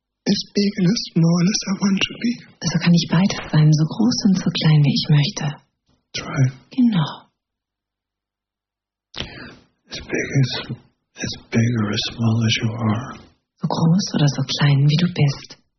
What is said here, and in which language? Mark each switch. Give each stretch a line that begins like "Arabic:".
English: As big and as small as I want to be.
German: Also kann ich beides sein, so groß und so klein, wie ich möchte.
English: Try.
German: Genau.
English: As big or as small as you are.
German: So groß oder so klein, wie du bist.